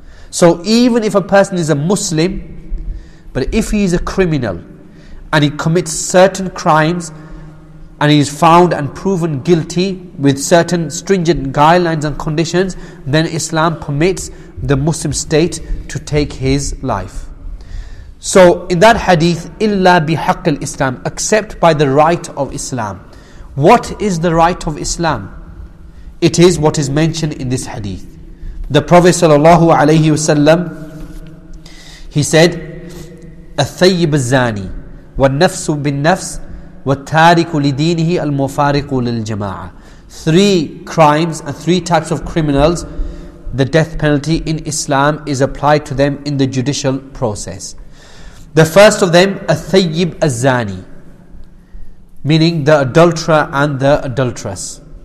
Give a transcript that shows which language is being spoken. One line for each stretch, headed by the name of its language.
English: So even if a person is a Muslim, but if he is a criminal and he commits certain crimes and he is found and proven guilty with certain stringent guidelines and conditions, then Islam permits the Muslim state to take his life. So in that hadith,
Arabic: illa bihaq al-Islam,
English: except by the right of Islam. What is the right of Islam? It is what is mentioned in this hadith. The Prophet sallallahu alayhi wasallam, he said,
Arabic: الثيب الزاني والنفس بالنفس والتارك لدينه المفارق للجماعة.
English: Three crimes and three types of criminals, the death penalty in Islam is applied to them in the judicial process. The first of them,
Arabic: الثيب الزاني,
English: meaning the adulterer and the adulteress.